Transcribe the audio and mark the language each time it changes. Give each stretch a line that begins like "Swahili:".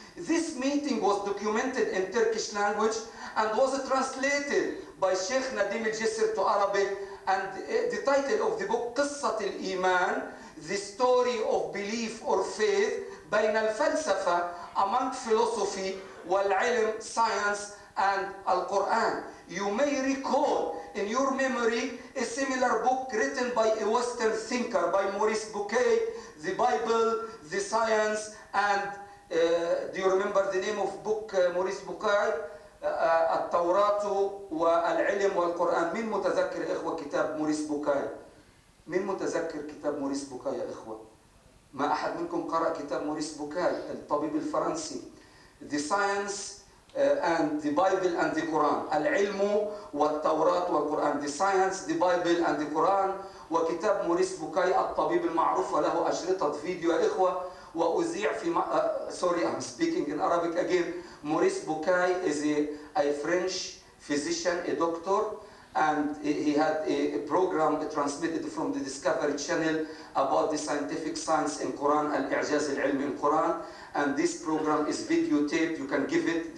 English: This meeting was documented in Turkish language and was translated by Sheikh Nadim al-Jisr to Arabic, and the title of the book, Qissat al-Iman, the story of belief or faith, bayna al-falsafa, among philosophy, wal-ilm, science, and al-Quran. You may recall in your memory a similar book written by a Western thinker, by Maurice Bouquet, The Bible, The Science, and do you remember the name of book Maurice Bouquet?
Arabic: التوراة والعلم والقرآن. من متذكر إخوة كتاب موريس بوكاي؟ من متذكر كتاب موريس بوكاي يا إخوة؟ ما أحد منكم قرأ كتاب موريس بوكاي الطبيب الفرنسي؟
English: The Science and the Bible and the Quran.
Arabic: العلم والتوراة والقرآن.
English: The Science, the Bible and the Quran.
Arabic: وكتاب موريس بوكاي الطبيب المعروف له أشرطة فيديو يا إخوة. وأذيع في
English: I'm speaking in Arabic again. Maurice Bouquet is a French physician, a doctor, and he had a program transmitted from the Discovery Channel about the scientific science in Quran, al-i'jaz al-ilm in Quran, and this program is videotaped. You can give it.